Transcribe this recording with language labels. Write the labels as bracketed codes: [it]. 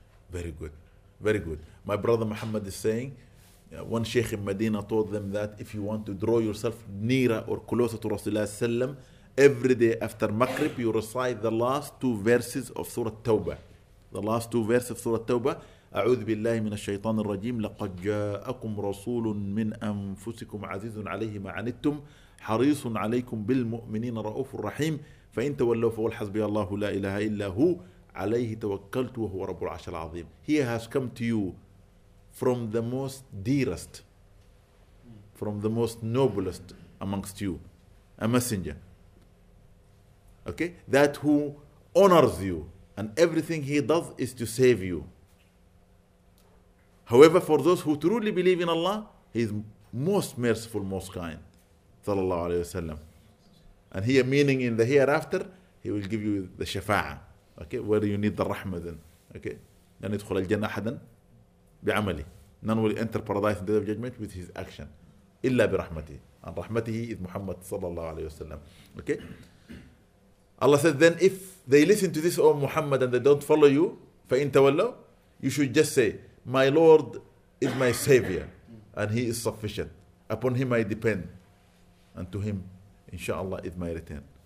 [en] Very good. My brother Muhammad is saying, one sheikh in Medina told them that if you want to draw yourself nearer or closer to Rasulullah sallam, every day after Maghrib, you recite the last two verses of Surah Tawbah. The last two verses of Surah Tawbah. [ar] أعوذ بالله من الشيطان الرجيم لقد جاءكم رسول من أنفسكم عزيز عليه ما عنتم حريص عليكم بالمؤمنين رؤوف الرحيم فإن تولوا فقل حسبي الله لا إله إلا هو عليه توكلت وهو رب العرش العظيم. [en] He has come to you from the most dearest, from the most noblest amongst you, a messenger. Okay? That who honors you and everything he does is to save you. However, for those who truly believe in Allah, He is most merciful, most kind. Sallallahu alayhi wa sallam. And here, meaning in the hereafter, He will give you the shafa'ah. Okay, where you need the rahmah then. Okay. [ar] لن يدخل الجنة أحدا بعمله. [en] None will enter paradise in the day of judgment with his action. [ar] إلا برحمته. [en] And رحمته is Muhammad صلى الله عليه وسلم. Okay. Allah says then if they listen to this O Muhammad and they don't follow you, [ar] فإن تولوا, [en] you should just say, my Lord is my savior and he is sufficient. Upon him I depend. And to him, inshallah, is my return.